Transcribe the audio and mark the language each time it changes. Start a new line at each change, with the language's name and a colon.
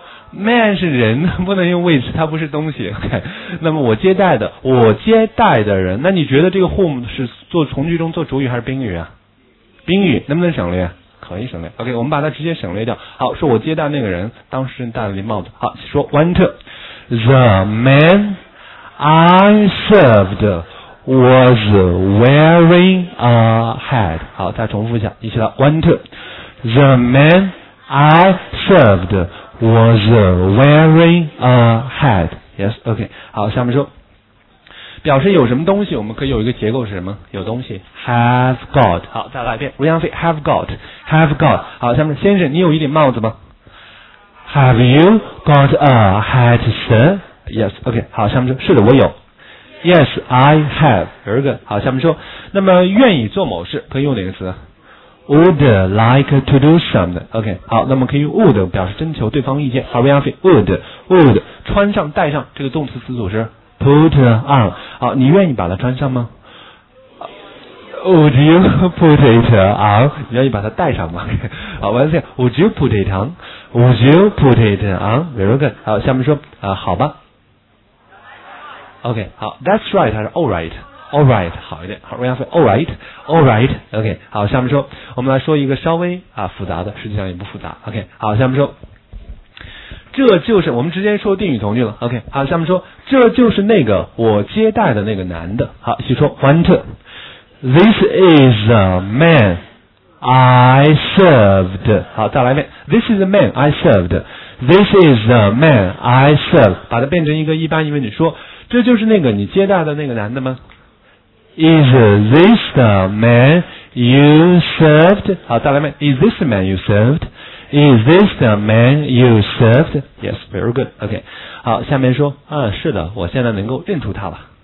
Chinese: man 是人，不能用 which， 它不是东西。OK， 那么我接待的人，那你觉得这个 whom 是做从句中做主语还是宾语啊？宾语，能不能省略？可以省略。 OK， 我们把它直接省略掉。好，说我接待那个人当时戴了顶帽子。好，说
English: Want The man I served was wearing a hat。
Chinese: 好，再重复一下，一起来。
English: Want The man I servedwas wearing a hat. Yes, OK.
Chinese: 好，下面说表示有什么东西，我们可以有一个结构是什么？有东西。
English: Have got.
Chinese: 好，再来一遍。
English: William say have got. Have got.
Chinese: 好，下面先生，你有一顶帽子吗？
English: Have you got a hat, sir? Yes. OK.
Chinese: 好，下面说，是的，我有。
English: Yes, I have. Very good.
Chinese: 好，下面说，那么愿意做某事，可以用哪个词？
English: Would like to do something.
Chinese: OK, 好，那么可以用 would 表示征求对方意见。好，不要费 would 穿上戴上，这个动词词组是
English: put on.
Chinese: 好，你愿意把它穿上吗？
English: Would you put it on?
Chinese: 你愿意把它戴上吗？好，完了，
English: Would you put it on? Would you put it on? Very good.
Chinese: 好，下面说好吧。
English: OK, 好 ,that's right,
Chinese: 还是
English: all right?
Chinese: Alright, 好一点。好，我要说 Alright, OK, 好，下面说，我们来说一个稍微复杂的，实际上也不复杂。 OK, 好，下面说，这就是，我们直接说定语从句了。 OK, 好，下面说，这就是那个我接待的那个男的。好，继续说 ,want,
English: this is the man I served.
Chinese: 好，再来一遍
English: ,this is the man I served. This is the man I served.
Chinese: 把它变成一个一般疑问句，说，这就是那个你接待的那个男的吗？
English: Is this the man you served?
Chinese: 好，再来一遍。
English: Is this the man you served? Is this the man you served? Yes, very good. OK.
Chinese: 好，下面说，是的，我现在能够认出他了。